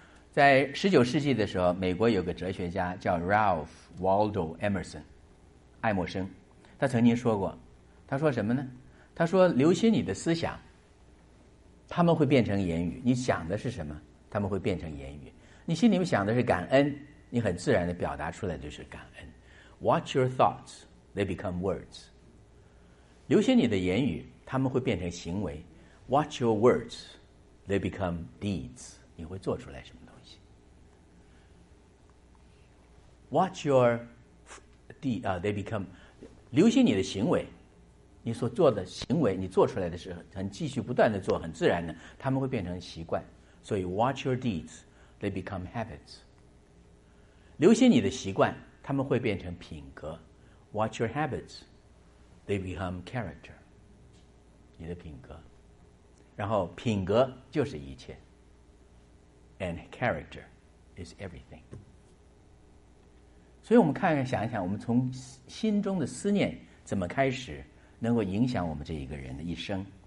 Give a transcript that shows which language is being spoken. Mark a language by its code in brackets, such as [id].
[zh] 在19世纪的时候，美国有个哲学家叫 Ralph Waldo Emerson，爱默生，他曾经说过，他说什么呢？他说留心你的思想，他们会变成言语，你想的是什么，他们会变成言语，你心里面想的是感恩，你很自然的表达出来就是感恩。 [en] Watch your thoughts, they become words. [zh] 留心你的言语，他们会变成行为。 [en] Watch your words, they become deeds. [zh] 你会做出来什么东西。 [en] Watch your they become, [zh] 留心你的行为，你所做的行为，你做出来的时候很继续不断的做，很自然的他们会变成习惯。所以 [en] watch your deeds, they become habits. [zh] 留心你的习惯，他们会变成品格。 [en] Watch your habits, they become character. [zh] 你的品格，然后品格就是一切。 [en] And character is everything. [zh] 所以我们看看，想一想，我们从心中的思念怎么开始，能够影响我们这一个人的一生。